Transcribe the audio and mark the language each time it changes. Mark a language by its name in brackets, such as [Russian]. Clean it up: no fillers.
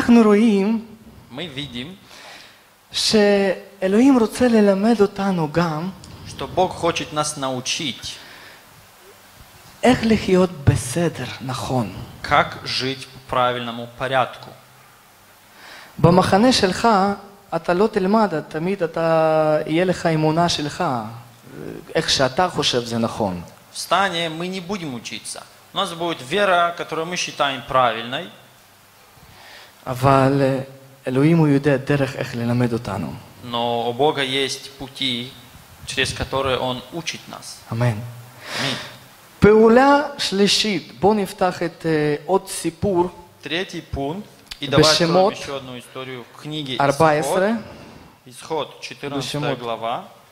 [Russian] Мы видим, что Бог хочет нас научить, как жить по правильному порядку. [Hebrew] במחנה שלך אתה לא תלמד, תמיד אתה יהיה לך אמונה שלך, איך שאתה חושב זה נכון. [Russian] В стане мы не будем учиться. У нас будет вера, которую мы считаем правильной. [Hebrew] אבל אלוהים יודע דרך איך ללמד אותנו. [Russian] Но у Бога есть пути, через которые Он учит нас. Аминь. Третий пункт. И давайте Бешемот, еще одну историю книги Исход. Исход, 14 глава.